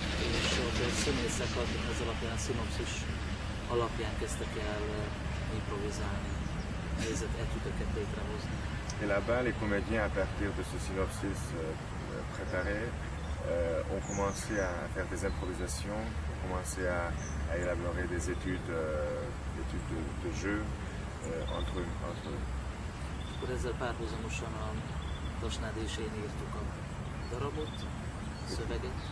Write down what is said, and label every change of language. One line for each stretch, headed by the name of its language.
Hungarian: És ott a színészek az alapján, a szinopszis alapján kezdtek el improvizálni, nézett etüdöket létrehozni.
French: Et là-bas, les comédiens, à partir de ce synopsis préparé, ont commencé à faire des improvisations, ont commencé à élaborer des études de jeu entre eux.
Hungarian: Akkor ezzel párhuzamosan a Tasnádésén írtuk a darabot, a szöveget.